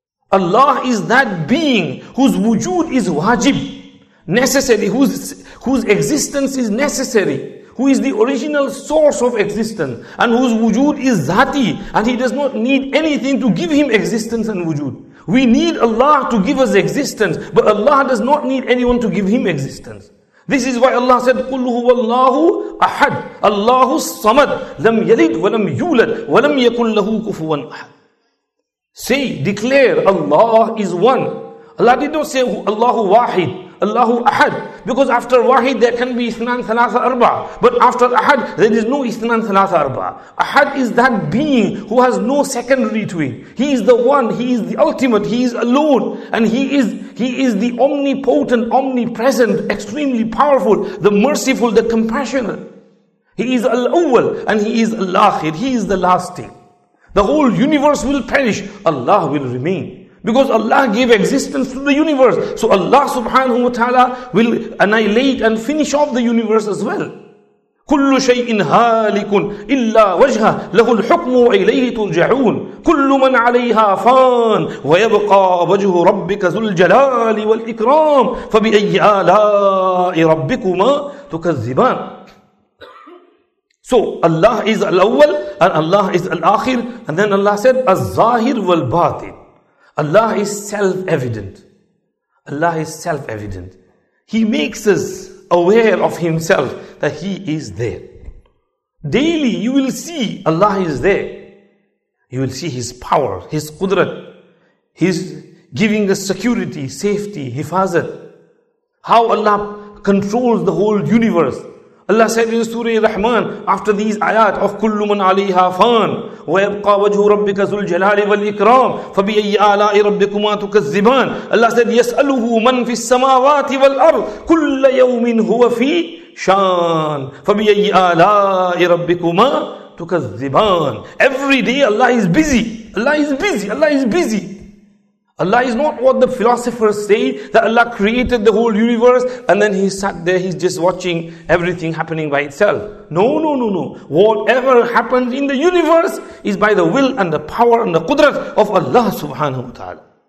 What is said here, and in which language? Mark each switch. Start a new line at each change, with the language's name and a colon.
English: Allah is that being whose wujud is wajib, necessary, whose existence is necessary, who is the original source of existence, and whose wujud is zati, and he does not need anything to give him existence and wujud. We need Allah to give us existence, but Allah does not need anyone to give him existence.
Arabic: This is why Allah said, قُلْ هُوَ اللَّهُ أَحَدْ اللَّهُ الصَّمَدْ لَمْ يَلِدْ وَلَمْ يُولَدْ وَلَمْ يَكُنْ لَهُ كُفُوًا أَحَدْ
English: Say, declare, Allah is one. Allah did not say,
Arabic: Allahu wahid. Allahu Ahad.
English: Because after Wahid there can be Ithnan Thalatha Arba. But after Ahad there is no Ithnan Thalatha Arba. Ahad is that being who has no secondary to it. He is the one, he is the ultimate, he is alone. And he is the omnipotent, omnipresent, extremely powerful, the merciful, the compassionate. He is Al-Awwal and he is Al-Akhir. He is the lasting. The whole universe will perish. Allah will remain. Because Allah gave existence to the universe. So Allah subhanahu wa ta'ala will annihilate and finish off the universe as well.
Arabic: كُلُّ شَيْءٍ هَالِكٌ إِلَّا وَجْهَهُ لَهُ الْحُكْمُ وَإِلَيْهِ تُرْجَعُونَ كُلُّ مَنْ عَلَيْهَا فَانٍ وَيَبْقَى وَجْهُ رَبِّكَ ذُو الْجَلَالِ وَالْإِكْرَامِ فَبِأَيِّ آلَاءِ رَبِّكُمَا تُكَذِّبَانِ
English: So Allah is al-awwal and Allah is al-akhir. And then Allah said,
Arabic: الظاهر والباطن.
English: Allah is self-evident. Allah is self-evident. He makes us aware of Himself that He is there. Daily you will see Allah is there. You will see His power, His qudrat. His giving us security, safety, hifazat. How Allah controls the whole universe. Allah said in Surah Rahman, after these ayat of
Arabic: كُلُّ مَنْ عَلَيْهَا فَانْ وَيَبْقَى وَجْهُ رَبِّكَ ذُو الْجَلَالِ وَالْإِكْرَامِ فَبِأَيِّ آلَاءِ رَبِّكُمَا تُكَذِّبَانِ
English: Allah said,
Arabic: يَسْأَلُهُ مَنْ فِي السَّمَاوَاتِ وَالْأَرْضِ كُلَّ يَوْمٍ هُوَ فِي شَانْ فَبِأَيِّ آلَاءِ رَبِّكُمَا تُكَذِّبَانِ
English: Every day Allah is busy. Allah is busy. Allah is busy. Allah is not what the philosophers say, that Allah created the whole universe and then He sat there, He's just watching everything happening by itself. No, no, no, no. Whatever happens in the universe is by the will and the power and the qudrat of Allah subhanahu wa ta'ala.